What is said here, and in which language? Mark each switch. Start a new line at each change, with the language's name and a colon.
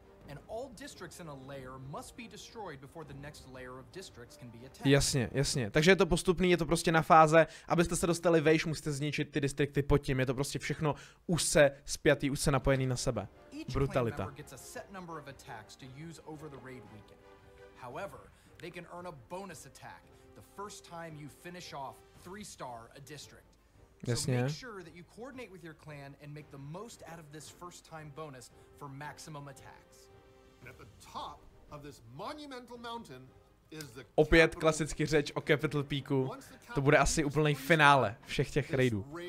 English: And all districts in a layer must be destroyed before the next layer of districts can be attacked.
Czech: Jasně, jasně. Takže je to postupný, je to prostě na fáze, abyste se dostali vejš, musíte zničit ty distrikty pod tím. Je to prostě všechno úzce spjatý, úzce napojený na sebe. Brutalita.
English: Each player gets a set number of attacks to use over the raid weekend. However, they can earn a bonus attack the first time you finish off 3-star a district. Jasně. So make sure that you coordinate with your clan and make the most out of this first time bonus for maximum attacks. And at the top of this monumental mountain is the capital.
Czech: Opět klasicky řeč o Capital Peaku. To bude asi úplný finále všech těch raidů.